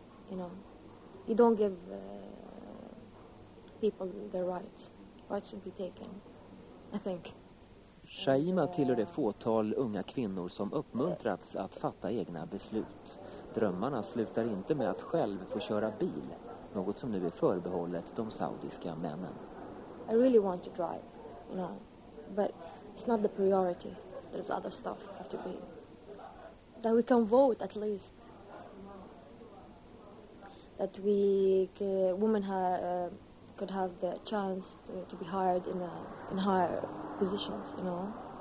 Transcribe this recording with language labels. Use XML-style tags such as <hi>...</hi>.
<en>You know, you don't give people their rights. Rights should be taken, I think.</en> <sv>Shaima tillhör det fåtal unga kvinnor som uppmuntrats att fatta egna beslut. Drömmarna slutar inte med att själv få köra bil, något som nu är förbehållet de saudiska männen.</sv> <en>I really want to drive, you know, but it's not the priority. There's other stuff have to be. That we can vote at least. That we women could have the chance to be hired in higher positions, you know.</en>